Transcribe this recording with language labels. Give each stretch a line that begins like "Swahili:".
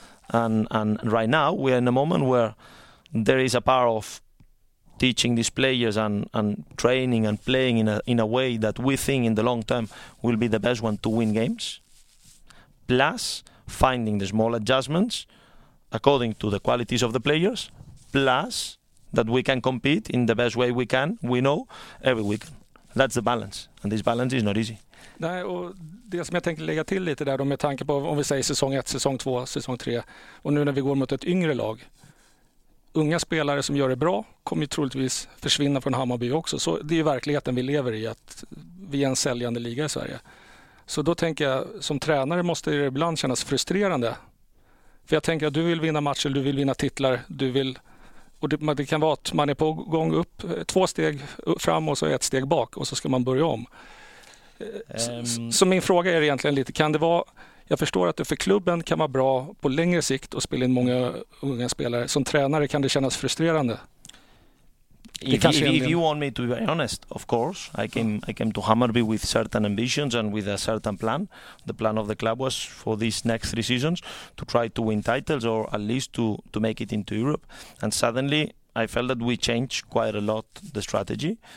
English: And right now, we are in a moment where there is a power of teaching these players and training and playing in a way that we think in the long term will be the best one to win games, plus finding the small adjustments according to the qualities of the players, plus that we can compete in the best way we can, we know, every week. That's the balance, and this balance is not easy.
Swedish: Nej, och det som jag tänker lägga till lite där då, med tanke på om vi säger säsong 1, säsong 2, säsong 3 och nu när vi går mot ett yngre lag, unga spelare som gör det bra kommer ju troligtvis försvinna från Hammarby också. Så det är ju verkligheten vi lever i, att vi är en säljande liga i Sverige. Så då tänker jag, som tränare måste det ibland kännas frustrerande. För jag tänker att du vill vinna matcher, du vill vinna titlar, du vill... Och det kan vara att man är på gång upp, två steg fram och så ett steg bak och så ska man börja om. Så min fråga är egentligen lite, kan det vara... Jag förstår att det för klubben kan vara bra på längre sikt och spela in många unga spelare. Som tränare kan det kännas frustrerande.
English: If you want me to be very honest, of course, I came to Hammarby with certain ambitions and with a certain plan. The plan of the club was for these next three seasons to try to win titles or at least to make it into Europe. And suddenly I felt that we changed quite a lot the strategy.